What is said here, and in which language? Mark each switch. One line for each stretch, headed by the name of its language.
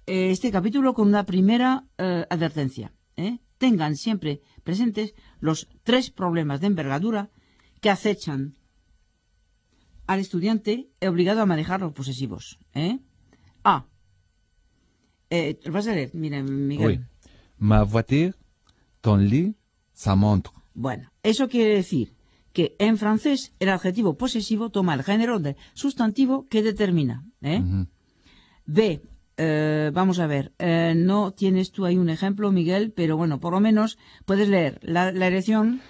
Spanish: este capítulo con una primera advertencia. Tengan siempre presentes los tres problemas de envergadura que acechan al estudiante obligado a manejar los posesivos. A. Vas a leer, mira, Miguel.
French: Oui. Ma voiture, ton lit, sa montre.
Spanish: Bueno, eso quiere decir que en francés el adjetivo posesivo toma el género del sustantivo que determina. B. Vamos a ver, no tienes tú ahí un ejemplo, Miguel, pero bueno, por lo menos puedes leer la elección.